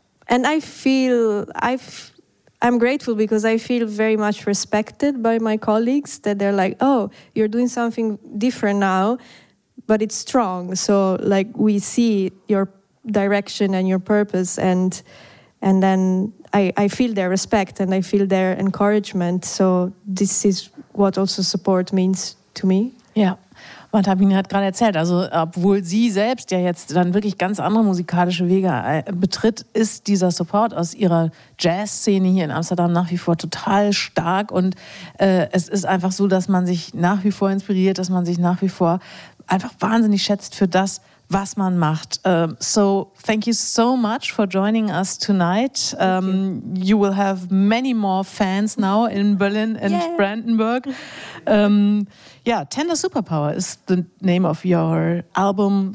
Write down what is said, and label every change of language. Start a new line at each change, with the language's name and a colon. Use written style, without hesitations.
English: And I feel, I'm grateful because I feel very much respected by my colleagues that they're like, oh, you're doing something different now, but it's strong. So like we see your direction and your purpose and then I feel their respect and I feel their encouragement. So this is what also support means to me. Yeah.
German: Martabine hat gerade erzählt, also obwohl sie selbst ja jetzt dann wirklich ganz andere musikalische Wege betritt, ist dieser Support aus ihrer Jazz-Szene hier in Amsterdam nach wie vor total stark und es ist einfach so, dass man sich nach wie vor inspiriert, dass man sich nach wie vor einfach wahnsinnig schätzt für das, was man macht.
English: So thank you so much for joining us tonight. You will have many more fans now in Berlin and yeah. Brandenburg. Tender Superpower is the name of your album.